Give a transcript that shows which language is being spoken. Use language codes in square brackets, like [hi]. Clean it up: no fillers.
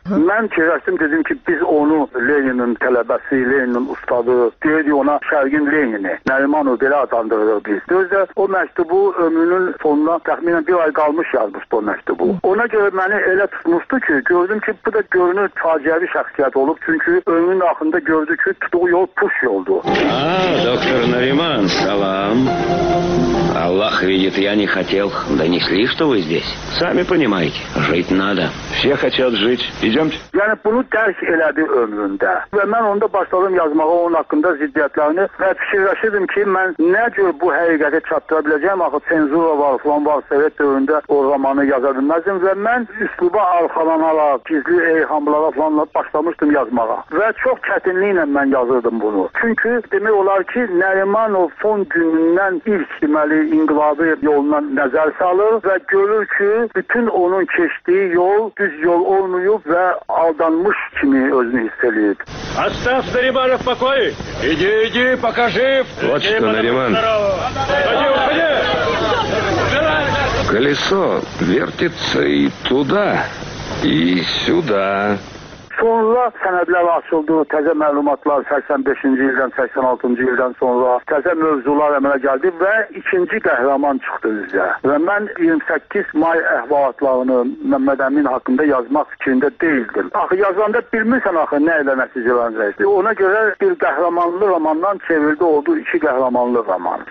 [az] Mən kirəsdim, dedim ki, biz onu Leninin tələbəsi, Leninin ustadı, deyirdi ona Şərqin Lenini, Nərimanov belə adlandırırıq biz. Özdə o məktubu ömrünün sonuna təxminən bir ay qalmış yazmışdı o məktubu. Ona görə məni elə tutmuşdu ki, gördüm ki, bu da görünür faciəvi şəxsiyyət olub, çünki ömrünün axında gördü ki, tutduğu yol puş yoldu. Doktor Nariman, salam. [ru] Allah видит, я не хотел. Донесли, что вы здесь. Сами понимаете, жить надо. Все хотят жить. Идемте. [az] Yəni bunu dərk elədi ömründə. Və mən onda başladım yazmağa onun haqqında ziddiyyətlərini və fikirləşirdim ki, mən nə cür bu həqiqəti çatdıra biləcəyim, axı senzura var, falan var, Sovet dövründə o romanı yaza bilməzdim və mən üsluba arxalanaraq, gizli eyhamlara falanla başlamışdım yazmağa. Və çox çətinliklə mən yazırdım bunu. Çünki demək olar ki, Nərimanov son günündən ilk deməli inqilabi yolundan nəzər salır və görür ki, bütün onun keçdiyi yol düz yol olmayıb və алданmış kimi özünü hiss eləyib. [ru] Остав Нариманов в покое. Иди, иди, покажи. Вот что, Нариман. Пойди, уходи. Колесо вертится и туда, и сюда. [az] Sonra sənədlər açıldı, təzə məlumatlar 85-ci ildən, 86-cı ildən sonra təzə mövzular əmələ gəldi və ikinci qəhrəman çıxdı üzə. Və mən 28 may əhvalatlarını Məmməd Əmin haqqında yazmaq fikrində deyildim. Axı, yazanda bilmirsən axı nə ilə nəticələnəcəkdi. Ona görə bir qəhrəmanlı romandan çevirdi oldu iki qəhrəmanlı roman.